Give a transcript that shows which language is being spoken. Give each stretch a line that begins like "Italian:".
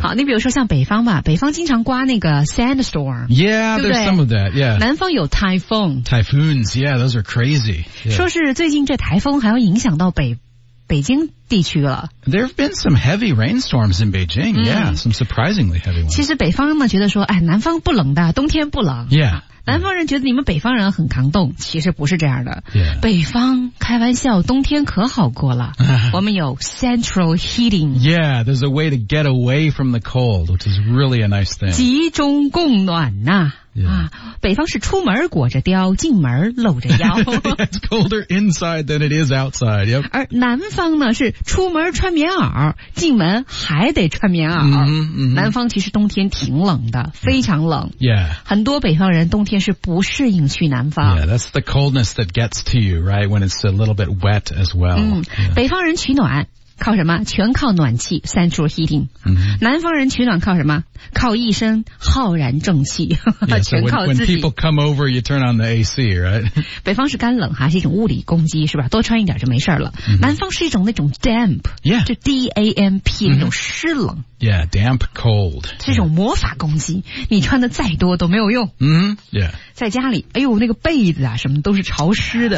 Chinese: 好，你比如说像北方吧，北方经常刮那个 sandstorm.
English: Yeah,
Chinese: 对不对？
English: There's some of that. Yeah.
Chinese: 南方有 typhoon.
English: Typhoons. Yeah, those are crazy.、Yeah.
Chinese: 说是最近这台风还要影响到北京地区了。
English: There have been some heavy rainstorms in Beijing,、 mm. yeah, some surprisingly heavy ones.
Chinese: 其实北方呢觉得说，哎，南方不冷的，冬天不冷。
English: Yeah.
Chinese: 南方人觉得你们北方人很扛冻，其实不是这样的。
English: Yeah.
Chinese: 北方开玩笑，冬天可好过了。我们有 central heating.
English: Yeah, there's a way to get away from the cold, which is really a nice thing.
Chinese: 集中供暖呐、啊。
English: Yeah.
Chinese: 啊，北方是出门裹着貂，进门露着腰。
English: yeah, it's colder inside than it is outside. Yep.
Chinese: 而南方呢是出门穿棉袄，进门还得穿棉袄。嗯、mm-hmm, mm-hmm. 南方其实冬天挺冷的，非常冷。
English: Yeah.
Chinese: 很多北方人冬天是不适应去南方。
English: Yeah, that's the coldness that gets to you, right? When it's a little bit wet as well.
Chinese: 嗯、yeah. ，北方人取暖。靠什么？全靠暖气 ，central heating、 mm-hmm.。南方人取暖靠什么？靠一身浩然正气，
English: yeah,
Chinese: 全靠自己。
English: So、when people come over, you turn on the AC, right?
Chinese: 北方是干冷哈，是一种物理攻击，是吧？多穿一点就没事了。 Mm-hmm. 南方是一种那种 damp，
English: yeah，
Chinese: 就 damp、mm-hmm. 那种湿冷。
English: Yeah, damp cold.
Chinese: 这种魔法攻击，你穿的再多都没有用。嗯、mm-hmm. ，Yeah。在家里，哎呦，那个被子啊，什么都是潮湿的。